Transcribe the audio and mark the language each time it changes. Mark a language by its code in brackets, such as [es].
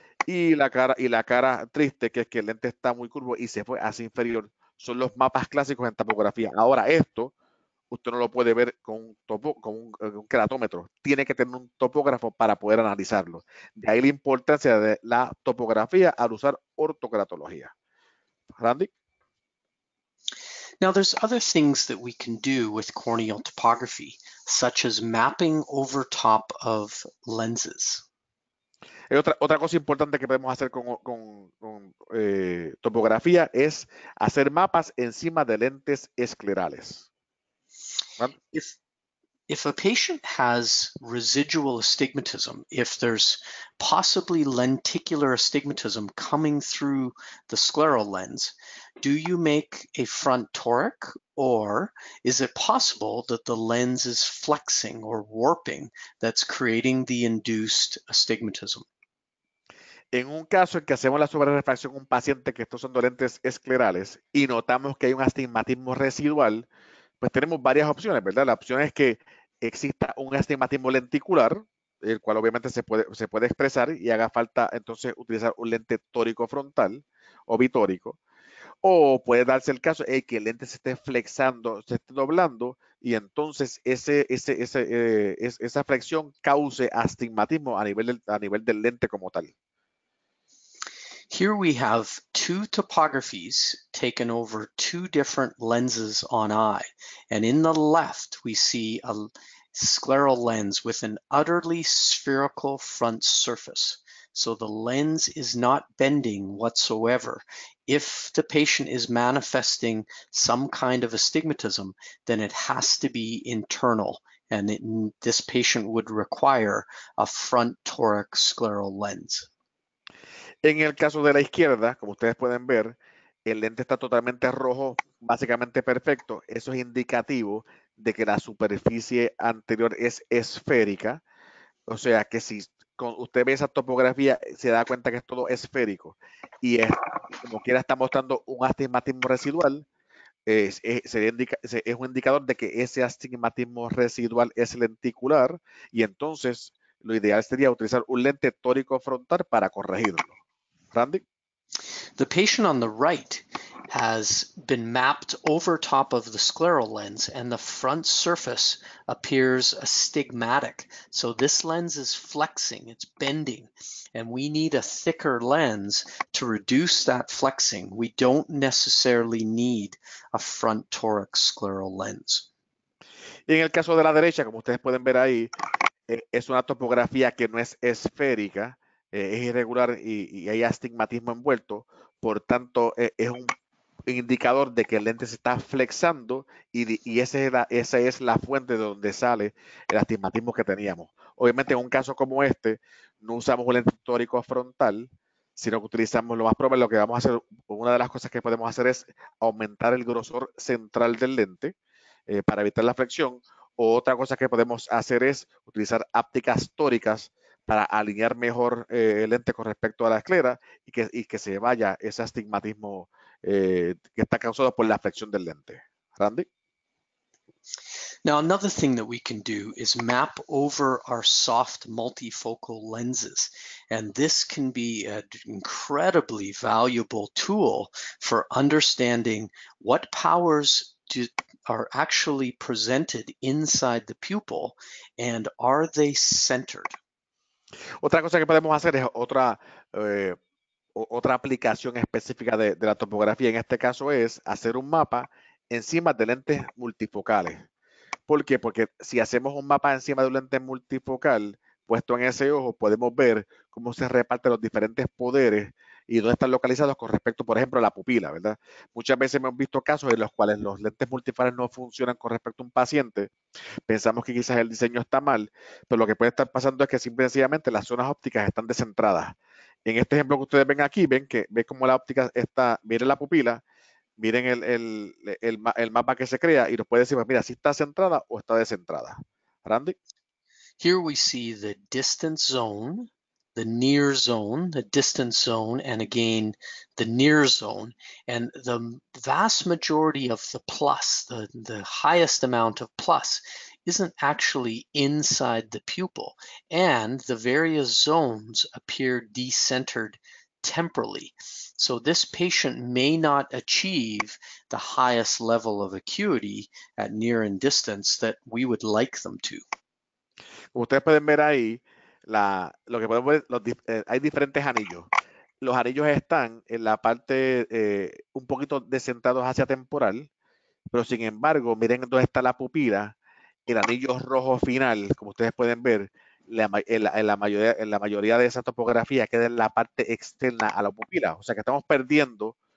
[es] Y la cara triste, que es que el lente está muy curvo y se fue hacia inferior. Son los mapas clásicos en topografía. Ahora esto, usted no lo puede ver con un queratómetro. Tiene que tener un topógrafo para poder analizarlo. De ahí la importancia de la topografía al usar ortokeratología. Randy. [en] Now there's other things that we can do with corneal topography, such as mapping over top of lenses. [es] Hay otra cosa importante que podemos hacer con topografía es hacer mapas encima de lentes esclerales. [en] If, If a patient has residual astigmatism, if there's possibly lenticular astigmatism coming through the scleral lens, do you make a front toric, or is it possible that the lens is flexing or warping that's creating the induced astigmatism? [es] En un caso en que hacemos la sobrerefracción a un paciente que estos son dolentes esclerales y notamos que hay un astigmatismo residual, pues tenemos varias opciones, ¿verdad? La opción es que exista un astigmatismo lenticular, el cual obviamente se puede expresar y haga falta entonces utilizar un lente tórico frontal o bitórico. O puede darse el caso de que el lente se esté flexando, se esté doblando y entonces esa flexión cause astigmatismo a nivel del lente como tal. [en] Here we have two topographies taken over two different lenses on eye. And in the left, we see a scleral lens with an utterly spherical front surface. So the lens is not bending whatsoever. If the patient is manifesting some kind of astigmatism, then it has to be internal. And this patient would require a front toric scleral lens. [es] En el caso de la izquierda, como ustedes pueden ver, el lente está totalmente rojo, básicamente perfecto. Eso es indicativo de que la superficie anterior es esférica. O sea, que si usted ve esa topografía, se da cuenta que es todo esférico. Y es, como quiera está mostrando un astigmatismo residual, es un indicador de que ese astigmatismo residual es lenticular. Y entonces, lo ideal sería utilizar un lente tórico frontal para corregirlo. Randy? [en] The patient on the right has been mapped over top of the scleral lens and the front surface appears astigmatic. So this lens is flexing, it's bending, and we need a thicker lens to reduce that flexing. We don't necessarily need a front toric scleral lens. [es] Y en el caso de la derecha, como ustedes pueden ver ahí, es una topografía que no es esférica. Es irregular y hay astigmatismo envuelto, por tanto es un indicador de que el lente se está flexando y esa es la fuente de donde sale el astigmatismo que teníamos. Obviamente en un caso como este no usamos un lente tórico frontal, sino que utilizamos lo más probable, lo que vamos a hacer, una de las cosas que podemos hacer es aumentar el grosor central del lente para evitar la flexión, o otra cosa que podemos hacer es utilizar ápticas tóricas para alinear mejor el lente con respecto a la esclera y que se vaya ese astigmatismo que está causado por la flexión del lente. Randy? [en] Now, another thing that we can do is map over our soft multifocal lenses. And this can be an incredibly valuable tool for understanding what powers are actually presented inside the pupil and are they centered? [es] Otra cosa que podemos hacer es otra aplicación específica de la topografía, en este caso es hacer un mapa encima de lentes multifocales. ¿Por qué? Porque si hacemos un mapa encima de un lente multifocal puesto en ese ojo, podemos ver cómo se reparten los diferentes poderes y dónde están localizados con respecto, por ejemplo, a la pupila, ¿verdad? Muchas veces hemos visto casos en los cuales los lentes multifocales no funcionan con respecto a un paciente. Pensamos que quizás el diseño está mal, pero lo que puede estar pasando es que simple y sencillamente las zonas ópticas están descentradas. En este ejemplo que ustedes ven aquí, ven cómo la óptica está, miren la pupila, miren el mapa que se crea y nos puede decir, mira, si está centrada o está descentrada. Randy? [en] Here we see the distance zone, the near zone, the distance zone, and again, the near zone. And the vast majority of the plus, the highest amount of plus, isn't actually inside the pupil. And the various zones appear decentered temporally. So this patient may not achieve the highest level of acuity at near and distance that we would like them to. [es] Ustedes pueden ver ahí, lo que podemos ver, hay diferentes anillos. Los anillos están en la parte un poquito descentrados hacia temporal, pero sin embargo, miren dónde está la pupila, el anillo rojo final, como ustedes pueden ver, en la mayoría de esa topografía queda en la parte externa a la pupila. O sea que estamos perdiendo